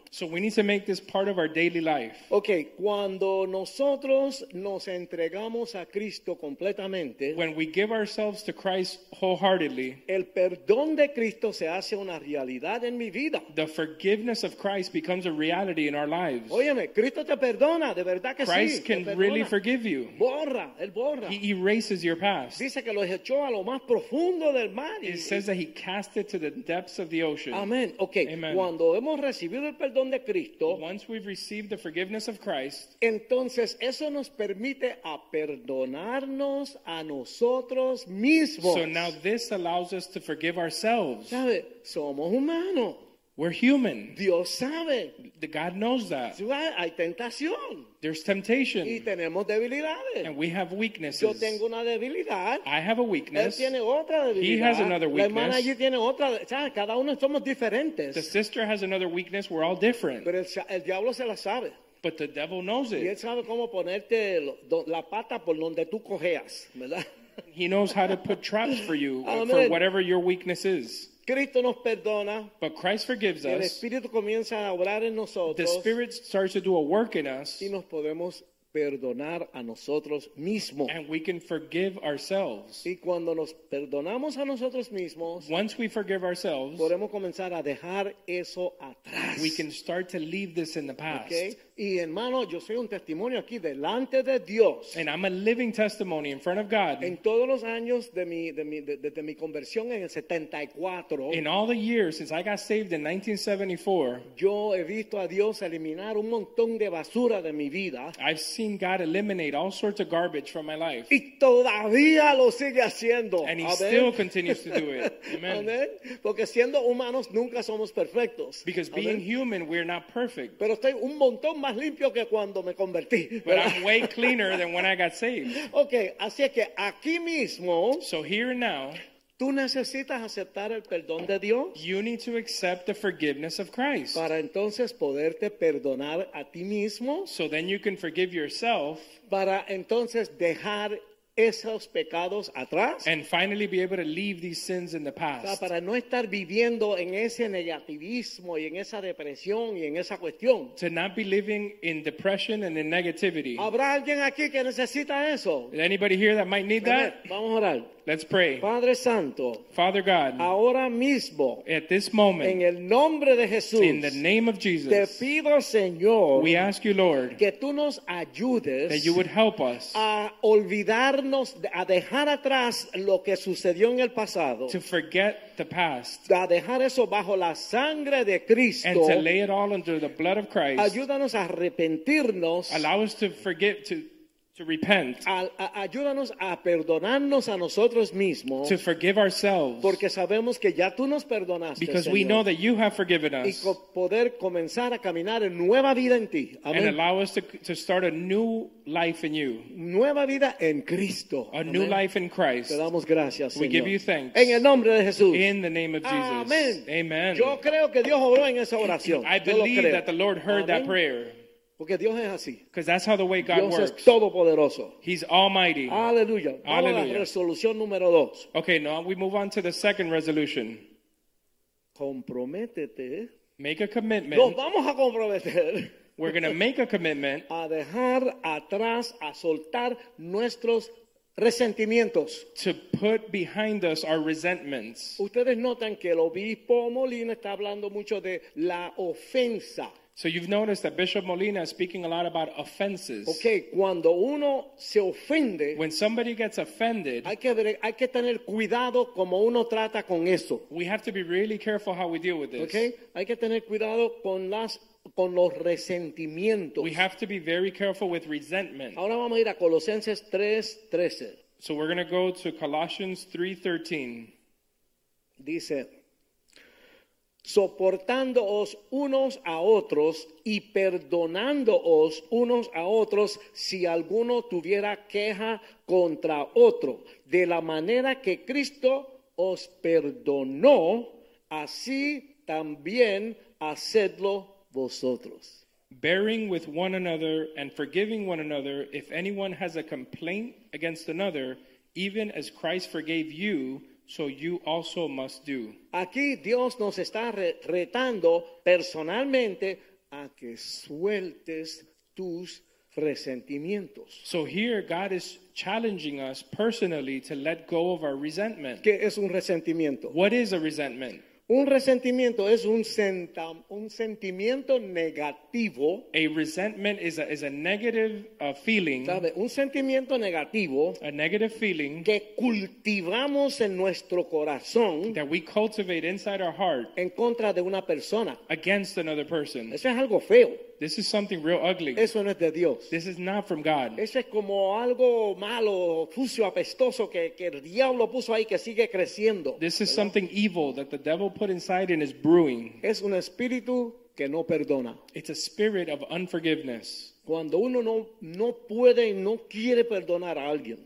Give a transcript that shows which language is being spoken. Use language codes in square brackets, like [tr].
[en] So we need to make this part of our daily life. [es] Okay, cuando nosotros nos entregamos a Cristo completamente, [en] when we give ourselves to Christ wholeheartedly, [es] el perdón de Cristo se hace una realidad en mi vida. [en] The forgiveness of Christ becomes a reality in our lives. [es] Óyeme, Cristo te perdona, de verdad que [en] Christ [es] sí. [en] Christ can really forgive you. [es] Borra, él borra. [en] He erases your past. [es] Dice que lo echó a lo más profundo del mar. [en] It says that he cast it to the depths of the ocean. Amen. Okay. Amen. [es] Cuando hemos recibido el perdón de Cristo, [en] once we've received the forgiveness of Christ, [es] entonces eso nos permite a perdonarnos a nosotros mismos. [en] So now this allows us to forgive ourselves. [es] ¿Sabe? Somos humanos. [en] We're human. [es] Dios sabe. [en] God knows that. [es] Hay tentación. [en] There's temptation. [es] Y tenemos debilidades. [en] And we have weaknesses. [es] Yo tengo una debilidad. [en] I have a weakness. [es] Él tiene otra debilidad. [en] He has another weakness. [es] La hermana allí tiene otra. Cada uno somos diferentes. [en] The sister has another weakness. We're all different. [es] Pero el diablo se la sabe. [en] But the devil knows it. [es] Y él sabe cómo ponerte la pata por donde tú cojeas, ¿verdad? [en] He knows how to put traps for you for whatever your weakness is. [es] Cristo nos perdona. [en] But Christ forgives us. [es] El Espíritu comienza a obrar en nosotros. [en] The Spirit starts to do a work in us. [es] Y nos podemos perdonar a nosotros mismos. [en] And we can forgive ourselves. [es] Y cuando nos perdonamos a nosotros mismos, [en] once we forgive ourselves, [es] podemos comenzar a dejar eso atrás. [en] We can start to leave this in the past. Okay? [es] Y hermano, yo soy un testimonio aquí delante de Dios. [en] And I'm a living testimony in front of God. [es] En todos los años de mi conversión en el 74. [en] In all the years since I got saved in 1974. [es] Yo he visto a Dios eliminar un montón de basura de mi vida. [en] I've seen God eliminate all sorts of garbage from my life. [es] Y todavía lo sigue haciendo. [en] And he Amen. Still continues to do it. Amen. [es] Amen. Porque siendo humanos nunca somos perfectos. [en] Because Amen. Being human, we're not perfect. [es] Pero estoy un montón más limpio que cuando me convertí. [en] But I'm way cleaner than when I got saved. [es] Okay, así es que aquí mismo, [en] so here and now, [es] tú necesitas aceptar el perdón de Dios. [en] You need to accept the forgiveness of Christ. [es] Para entonces poderte perdonar a ti mismo. [en] So then you can forgive yourself. [es] Para entonces dejar esos pecados atrás. [en] And finally be able to leave these sins in the past. [es] O sea, para no estar viviendo en ese negativismo y en esa depresión y en esa cuestión. [en] To not be living in depression and in negativity. [es] ¿Habrá alguien aquí que necesita eso? [en] Is anybody here that might need that? [es] Vamos a orar. [en] Let's pray. [es] Padre Santo, [en] Father God, [es] ahora mismo, [en] at this moment, [es] en el nombre de Jesús, [en] in the name of Jesus, [es] te pido, Señor, [en] we ask you, Lord, [es] que tú nos ayudes, [en] that you would help us, [es] a olvidarnos, a dejar atrás lo que sucedió en el pasado, [en] to forget the past, [es] a dejar eso bajo la sangre de Cristo, [en] and to lay it all under the blood of Christ. [es] Ayúdanos a arrepentirnos. [en] Allow us to forget, to repent. [es] Ayúdanos a perdonarnos a nosotros mismos. [en] To forgive ourselves. [es] Porque sabemos que ya tú nos perdonaste. [en] Because [es] Señor, [en] we know that you have forgiven us. [es] Y poder comenzar a caminar en nueva vida en ti. Amen. [en] And allow us to start a new life in you. [es] Nueva vida en Cristo. [en] A Amen. New life in Christ. [es] Te damos gracias, Señor. [en] We give you thanks. [es] En el nombre de Jesús. [en] In the name of Jesus. [es] Amen. [en] Amen. [es] Yo creo que Dios obró en esa oración. [en] I believe [es] creo [en] that the Lord heard Amen. That prayer. [es] Porque Dios es así. [en] Because that's how the way God [es] Dios [en] works. [es] Es todopoderoso. [en] He's almighty. [es] Aleluya. [en] Aleluya. [es] Vamos a la resolución número dos. [en] Okay, now we move on to the second resolution. [es] Comprométete. [en] Make a commitment. [es] Nos vamos a comprometer. [en] We're going to make a commitment. [es] A dejar atrás, a soltar nuestros resentimientos. [en] To put behind us our resentments. [es] Ustedes notan que el obispo Molina está hablando mucho de la ofensa. [en] So you've noticed that Bishop Molina is speaking a lot about offenses. [es] Okay, cuando uno se ofende, [en] when somebody gets offended, [es] hay que tener cuidado como uno trata con eso. [en] We have to be really careful how we deal with this. [es] Okay, hay que tener cuidado con los resentimientos. [en] We have to be very careful with resentment. [es] Ahora vamos a ir a Colosenses 3:13. [en] So we're going to go to Colossians 3:13. [es] Dice, soportándoos unos a otros y perdonándoos unos a otros si alguno tuviera queja contra otro, de la manera que Cristo os perdonó, así también hacedlo vosotros. [en] Bearing with one another and forgiving one another, if anyone has a complaint against another, even as Christ forgave you, so you also must do. [es] Aquí Dios nos está retando personalmente a que sueltes tus resentimientos. [en] So here God is challenging us personally to let go of our resentment. [es] ¿Qué es un resentimiento? [en] What is a resentment? [es] Un resentimiento es un sentimiento negativo. [en] A resentment is a negative feeling. [es] ¿Sabe? Un sentimiento negativo. [en] A negative feeling. [es] Que cultivamos en nuestro corazón. [en] That we cultivate inside our heart. [es] En contra de una persona. [en] Against another person. [es] Eso es algo feo. [en] This is something real ugly. [es] Eso no es de Dios. [en] This is not from God. [es] Eso es como algo malo, sucio, apestoso que el diablo puso ahí que sigue creciendo. [en] This is something evil that the devil put inside and is brewing. [es] Es un espíritu que no perdona. [en] It's a spirit of unforgiveness. [es] Cuando uno no puede y no quiere perdonar a alguien.